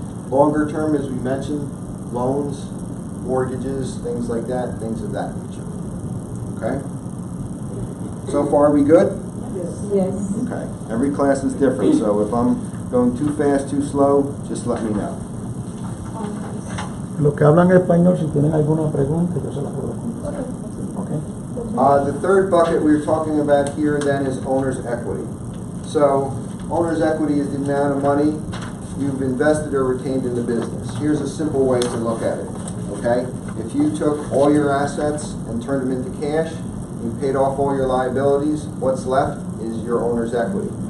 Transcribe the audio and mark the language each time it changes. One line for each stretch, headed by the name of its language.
English: Longer term, as we mentioned, loans, mortgages, things like that, things of that nature. Okay? So far, are we good? Yes. Okay. Every class is different, so if I'm going too fast, too slow, just let me know.
Spanish: Los que hablan español, si tienen alguna pregunta, yo se la puedo contestar.
English: Okay. The third bucket we're talking about here then is owner's equity. So, owner's equity is the amount of money you've invested or retained in the business. Here's a simple way to look at it. Okay, if you took all your assets and turned them into cash, you paid off all your liabilities, what's left is your owner's equity.